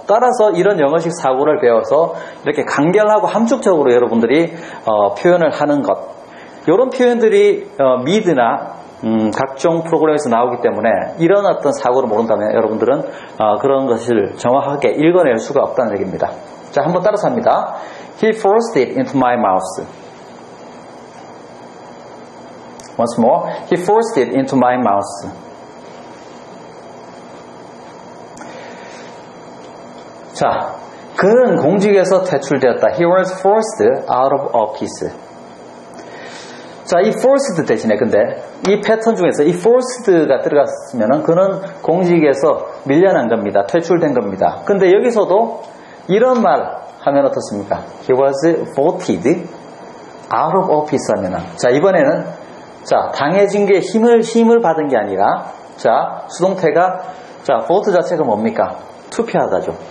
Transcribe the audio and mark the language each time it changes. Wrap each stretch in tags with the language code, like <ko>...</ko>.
<ko>따라서 이런 영어식 사고를 배워서 이렇게 간결하고 함축적으로 여러분들이 표현을 하는 것. 이런 표현들이 미드나 각종 프로그램에서 나오기 때문에 이런 어떤 사고를 모른다면 여러분들은 그런 것을 정확하게 읽어낼 수가 없다는 얘기입니다. 자, 한번 따라서 합니다.</ko> <en>He forced it into my mouth. Once more, he forced it into my mouth.</en> <ko>자, 그는 공직에서 퇴출되었다.</ko> <en>He was forced out of office.</en> <ko>자, 이 forced 대신에 근데 이 패턴 중에서 이 forced가 들어갔으면 그는 공직에서 밀려난 겁니다. 퇴출된 겁니다. 근데 여기서도 이런 말 하면 어떻습니까?</ko> <en>He was voted out of office</en> <ko>하면 자, 이번에는 당해진 게 힘을 받은 게 아니라 수동태가 vote 자체가 뭡니까? 투표하다죠.</ko>